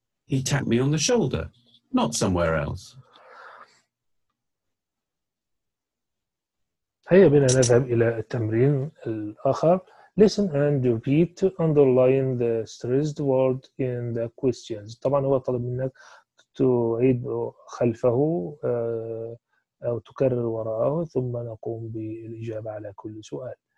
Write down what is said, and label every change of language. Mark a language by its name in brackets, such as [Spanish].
[English] He tapped me on the shoulder not somewhere else. [Arabic] هيا بنا نذهب إلى التمرين الآخر. [English] Listen and repeat to underline the stressed word in the questions. [Arabic] طبعا هو طلب منك تعيد خلفه أو تكرر وراءه ثم نقوم بالإجابة على كل سؤال.